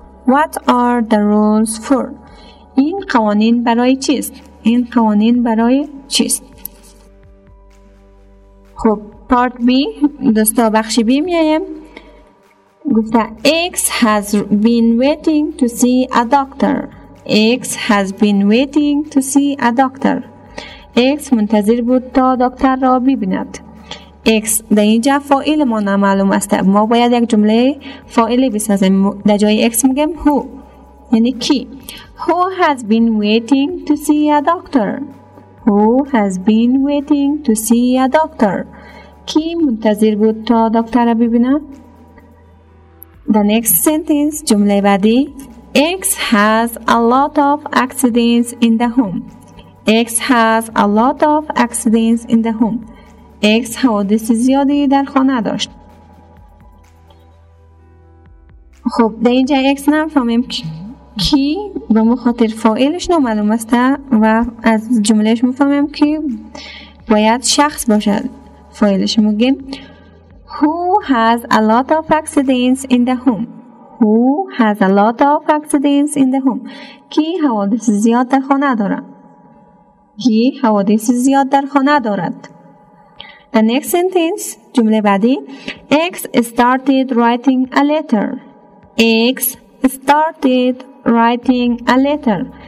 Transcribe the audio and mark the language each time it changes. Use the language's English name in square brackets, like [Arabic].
[English] What are the rules for? [Persian] این قوانین برای چیست؟ این قوانین برای چیست؟ خب part B دوستا بخش B میایم گفته [English] X has been waiting to see a doctor. X has been waiting to see a doctor. [Persian] X منتظر بود تا دکتر را ببیند. X در اینجا فاعل ما نامعلوم است. ما باید یک جمله فاعلی بسازیم. در جای X میگم who. یعنی کی. [English] Who has been waiting to see a doctor? Who has been waiting to see a doctor? [Persian] کی منتظر بود تا دکتر را ببیند؟ [English] The next sentence [Persian] جمله بعدی [English] X has a lot of accidents in the home. X has a lot of accidents in the home. [Persian] X حوادث زیادی در خانه داشت. خب در اینجا X نمیفهمیم کی به مخاطر فاعلش نامعلوم است و از جملهش میفهمیم که باید شخص باشد فاعلش. میگیم [English] Who has a lot of accidents in the home? Who has a lot of accidents in the home? [Persian] کی حوادث زیاد در خانه دارد؟ کی حوادث زیاد در خانه دارد؟ [English] The next sentence, [Persian] جمله بعدی, [English] X started writing a letter. X started writing a letter.